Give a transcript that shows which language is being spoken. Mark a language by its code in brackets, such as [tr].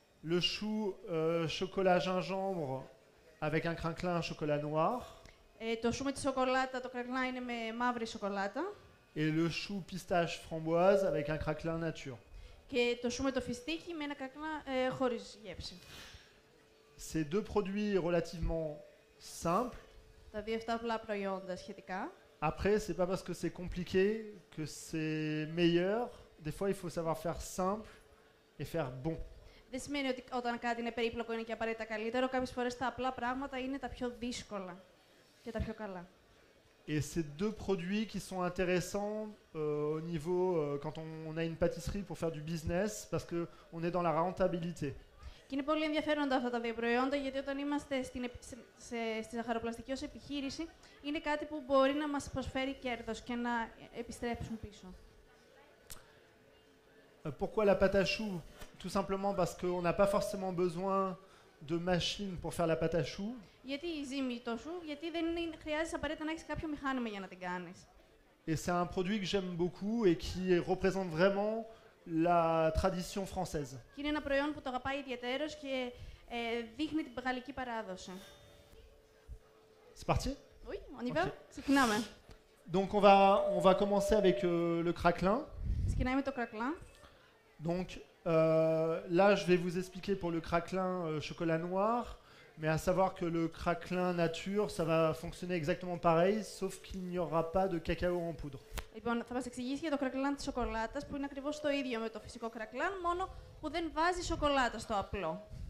[fr] Le chou chocolat gingembre avec un craquelin chocolat noir. [el] Το chou με τη σοκολάτα, το craquelin είναι με μαύρη σοκολάτα. [fr] Et le chou pistache framboise avec un craquelin nature. [el] Και το chou με το φιστίκι με ένα craquelin χωρίς γεύση. [fr] Ces deux produits relativement simples. [el] Τα δύο αυτά απλά προϊόντα σχετικά. [fr] Après, ce n'est pas parce que c'est compliqué que c'est meilleur. Des fois, il faut savoir faire simple et faire bon. [el] Δεν σημαίνει ότι όταν κάτι είναι περίπλοκο είναι και απαραίτητα καλύτερο. Κάποιες φορές τα απλά πράγματα είναι τα πιο δύσκολα και τα πιο καλά. [fr] Et ces deux produits qui sont intéressants au niveau quand on a une pâtisserie pour faire du business parce qu'on est dans la rentabilité. [el] Και είναι πολύ ενδιαφέροντα αυτά τα δύο προϊόντα γιατί όταν είμαστε στη ζαχαροπλαστική ως επιχείρηση είναι κάτι που μπορεί να μας προσφέρει κέρδος και να επιστρέψουν πίσω. [fr] Pourquoi la pâte à choux? Tout simplement parce qu'on n'a pas forcément besoin de machine pour faire la pâte à choux. [el] Γιατί η ζύμη το σου, γιατί δεν χρειάζεσαι απαραίτητα να έχεις κάποιο μηχάνημα για να την κάνεις. [fr] Et c'est un produit que j'aime beaucoup et qui représente vraiment la tradition française. [el] Και είναι ένα προϊόν που το αγαπάει ιδιαίτερος και δείχνει την γαλλική παράδοση. [fr] C'est parti? Oui, on y va. [el] Ξεκινάμε. [fr] Donc on va commencer avec le craquelin. [el] Ξεκινάμε με το craquelin. [fr] Donc là, je vais vous expliquer pour le craquelin chocolat noir, mais à savoir que le craquelin nature, ça va fonctionner exactement pareil, sauf qu'il n'y aura pas de cacao en poudre. [el] Λοιπόν, θα μας εξηγήσει για το craquelin της σοκολάτας, που είναι ακριβώς το ίδιο με το φυσικό craquelin, μόνο που δεν βάζει σοκολάτα στο απλό.